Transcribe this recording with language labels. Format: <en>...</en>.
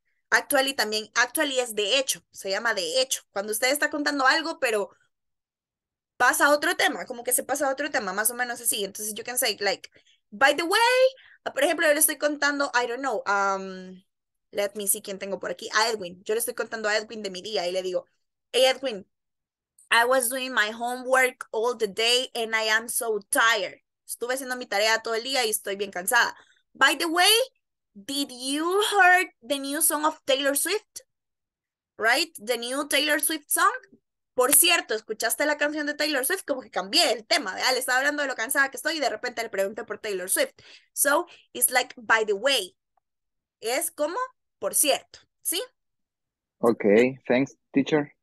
<es>Actually también, actually es de hecho, se llama de hecho. Cuando usted está contando algo, pero pasa a otro tema, como que se pasa a otro tema, más o menos así. Entonces,</es> <en>you can say, like, by the way,</en> <es>por ejemplo, yo le estoy contando,</es> <en>I don't know, let me see</en> <es>quién tengo por aquí, a Edwin. Yo le estoy contando a Edwin de mi día y le digo, hey, Edwin.</es> <en>I was doing my homework all the day and I am so tired.</en> <es>Estuve haciendo mi tarea todo el día y estoy bien cansada.</es> <en>By the way, did you hear the new song of Taylor Swift? Right? The new Taylor Swift song?</en> <es>Por cierto, ¿escuchaste la canción de Taylor Swift? Como que cambié el tema, ¿verdad? Le estaba hablando de lo cansada que estoy y de repente le pregunté por Taylor Swift.</es> <en>So, it's like, by the way.</en> <es>Es como, por cierto, ¿sí?</es> <en>Okay, thanks, teacher.</en>